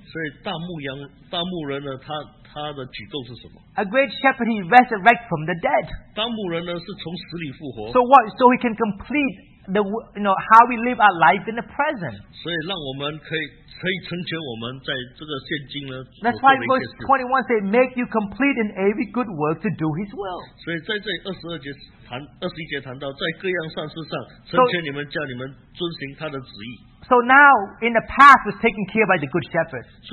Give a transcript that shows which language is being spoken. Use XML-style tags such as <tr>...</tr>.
<zh>所以大牧人呢，他的举动是什么?</zh> <en>A great shepherd, he resurrects from the dead.</en> <zh>大牧人呢，是从死里复活。</zh> <en>So what? So he can complete the, you know, how we live our life in the present.</en> <zh>所以让我们可以成全我们在这个现今呢。</zh> <en>That's why verse 21 says, make you complete in every good work to do his will.</en> <zh>所以在这22节。 21节谈到在各样善事上成全你们，叫你们遵行他的旨意。</zh> <en>So now in the past was taken care by the good shepherd.</en>